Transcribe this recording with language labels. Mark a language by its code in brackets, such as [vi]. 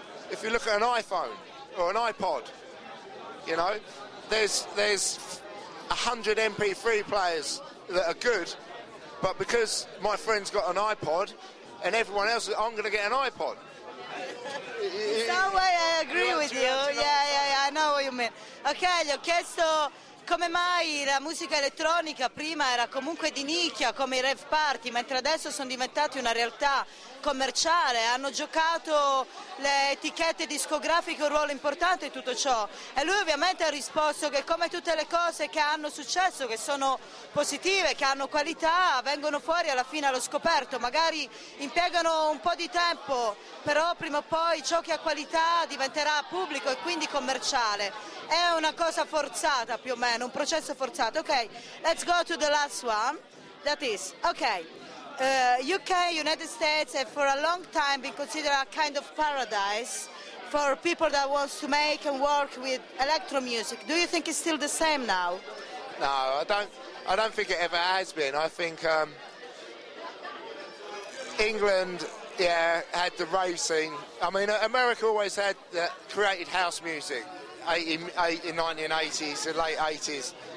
[en] If you look at an iPhone or an iPod, you know, there's 100 MP3 players that are good, but because my friend's got an iPod and everyone else, I'm going to get an iPod. That way I agree with you. Yeah, I know what you mean. [it] Ok, gli ho chiesto come mai la musica elettronica prima era comunque di nicchia come i rave party, mentre adesso sono diventati una realtà commerciale, hanno giocato le etichette discografiche un ruolo importante in tutto ciò. E lui ovviamente ha risposto che come tutte le cose che hanno successo, che sono positive, che hanno qualità, vengono fuori alla fine allo scoperto. Magari impiegano un po' di tempo, però prima o poi ciò che ha qualità diventerà pubblico e quindi commerciale. È una cosa forzata più o meno, un processo forzato. [en] Ok, let's go to the last one. That is, ok. UK, United States have for a long time been considered a kind of paradise for people that want to make and work with electro music. Do you think it's still the same now? No, I don't think it ever has been. I think England, had the rave scene. I mean, America always had created house music, 1980s, the late 80s.